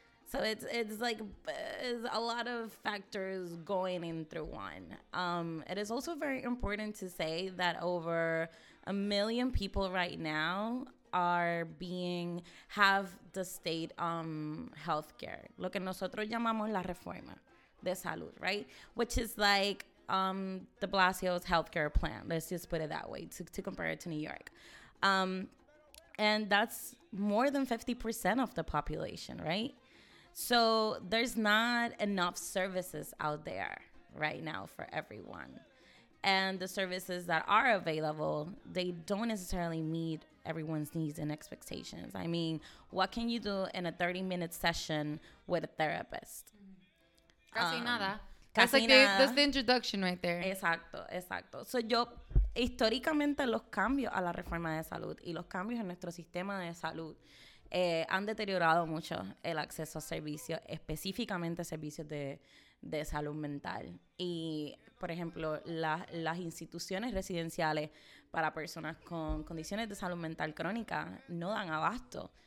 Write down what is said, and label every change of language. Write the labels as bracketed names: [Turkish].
[English] So it's like it's a lot of factors going in through one. It is also very important to say that over 1 million people right now are being, have the state healthcare. [Spanish] Lo que nosotros llamamos la reforma de salud, right? [English] Which is like de Blasio's healthcare plan. Let's just put it that way to compare it to New York. And that's more than 50% of the population, right? So there's not enough services out there right now for everyone. And the services that are available, they don't necessarily meet everyone's needs and expectations. I mean, what can you do in a 30-minute session with a therapist? [Spanish] Casi nada. Casi nada. [English] That's the introduction right there. [Spanish] Exacto, exacto. So yo, históricamente, los cambios a la reforma de salud y los cambios en nuestro sistema de salud han deteriorado mucho el acceso a servicios, específicamente servicios de salud mental. Y, por ejemplo, las instituciones residenciales para personas con condiciones de salud mental crónica no dan abasto.